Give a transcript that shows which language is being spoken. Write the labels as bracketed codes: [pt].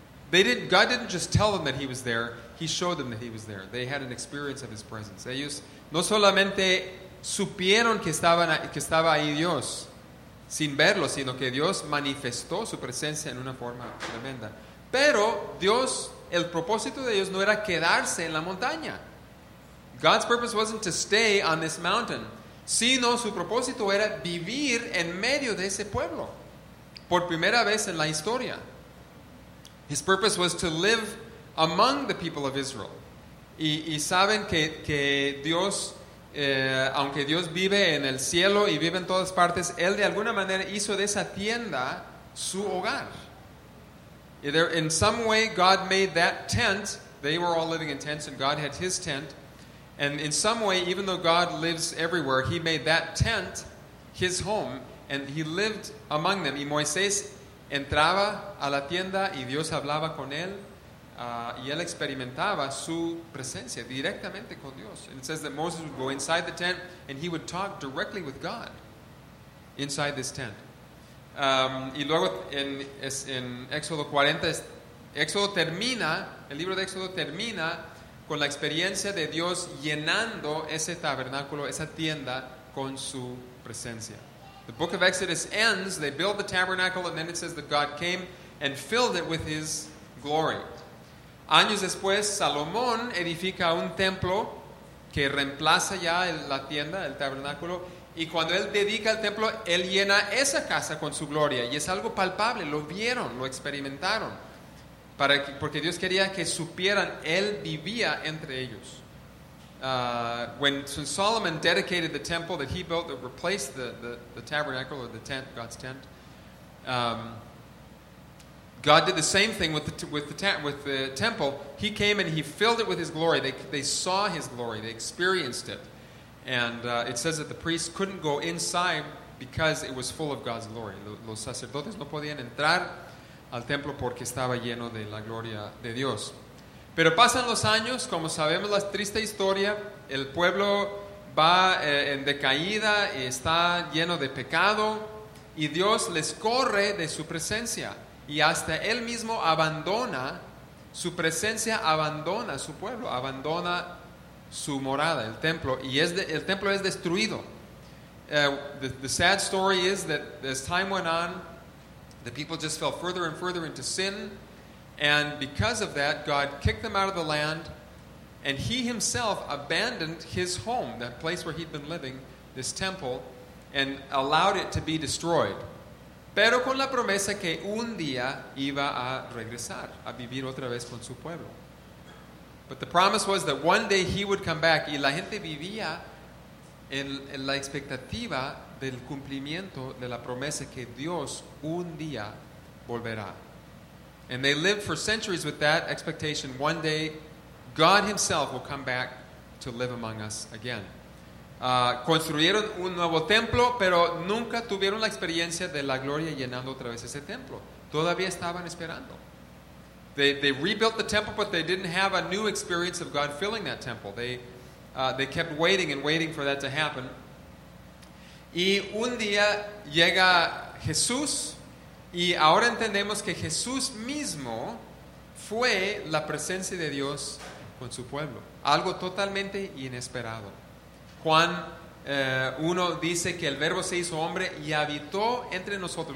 [en] God didn't just tell them that He was there. He showed them that He was there. They had an experience of His presence. [es] Ellos no solamente supieron que estaba ahí Dios sin verlo, sino que Dios manifestó su presencia en una forma tremenda. Pero Dios, el propósito de Dios no era quedarse en la montaña. [en] God's purpose wasn't to stay on this mountain, [es] sino su propósito era vivir en medio de ese pueblo por primera vez en la historia. [en] His purpose was to live among the people of Israel. [es] Y saben que Dios aunque Dios vive en el cielo y vive en todas partes, Él de alguna manera hizo de esa tienda su hogar. [en] Either in some way, God made that tent. They were all living in tents, and God had His tent. And in some way, even though God lives everywhere, He made that tent His home, and He lived among them. [es] Y Moisés entraba a la tienda, y Dios hablaba con él, y él experimentaba su presencia directamente con Dios. [en] And it says that Moses would go inside the tent, and he would talk directly with God inside this tent. [es] Y luego en Éxodo 40, Éxodo termina, el libro de Éxodo termina con la experiencia de Dios llenando ese tabernáculo, esa tienda, con su presencia. [en] The book of Exodus ends, they build the tabernacle, and then it says that God came and filled it with His glory. [es] Años después, Salomón edifica un templo que reemplaza ya la tienda, el tabernáculo, y cuando él dedica el templo, él llena esa casa con su gloria, y es algo palpable, lo vieron, lo experimentaron, porque Dios quería que supieran, Él vivía entre ellos. [en] When Solomon dedicated the temple that he built that replaced the tabernacle or the tent, God's tent, God did the same thing with the temple. He came and He filled it with His glory. They saw His glory. They experienced it. And it says that the priests couldn't go inside because it was full of God's glory. [es] Los sacerdotes no podían entrar al templo porque estaba lleno de la gloria de Dios. Pero pasan los años, como sabemos la triste historia, el pueblo va en decaída, está lleno de pecado, y Dios les corre de su presencia, y hasta Él mismo abandona su presencia, abandona su pueblo, abandona su morada, el templo, y el templo es destruido. [en] The sad story is that as time went on, the people just fell further and further into sin. And because of that, God kicked them out of the land, and He Himself abandoned His home, that place where He'd been living, this temple, and allowed it to be destroyed. [es] Pero con la promesa que un día iba a regresar, a vivir otra vez con su pueblo. [en] But the promise was that one day He would come back, [es] y la gente vivía en la expectativa del cumplimiento de la promesa que Dios un día volverá. [en] And they lived for centuries with that expectation. One day, God Himself will come back to live among us again. [es] Construyeron un nuevo templo, pero nunca tuvieron la experiencia de la gloria llenando otra vez ese templo. Todavía estaban esperando. [en] They rebuilt the temple, but they didn't have a new experience of God filling that temple. They kept waiting and waiting for that to happen. [es] Y un día llega Jesús. Y ahora entendemos que Jesús mismo fue la presencia de Dios con su pueblo. Algo totalmente inesperado. Juan 1 dice que el Verbo se hizo hombre y habitó entre nosotros.